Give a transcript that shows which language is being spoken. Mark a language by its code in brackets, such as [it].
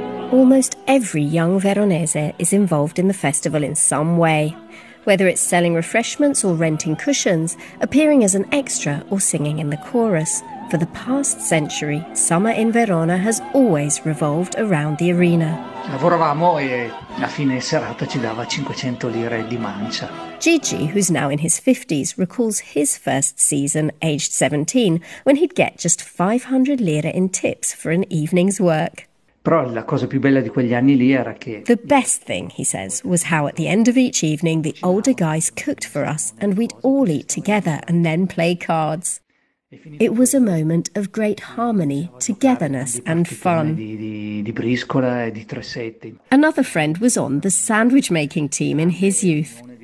[en] Almost every young Veronese is involved in the festival in some way, whether it's selling refreshments or renting cushions, appearing as an extra or singing in the chorus. For the past century, summer in Verona has always revolved around the arena. [it] Lavoravamo e a fine serata ci dava 500 lire di mancia. [en] Gigi, who's now in his 50s, recalls his first season, aged 17, when he'd get just 500 lire in tips for an evening's work. [it] Però la cosa più bella di quegli anni lì era che... [en] The best thing, he says, was how at the end of each evening the older guys cooked for us and we'd all eat together and then play cards. It was a moment of great harmony, togetherness and fun. Another friend was on the sandwich-making team in his youth.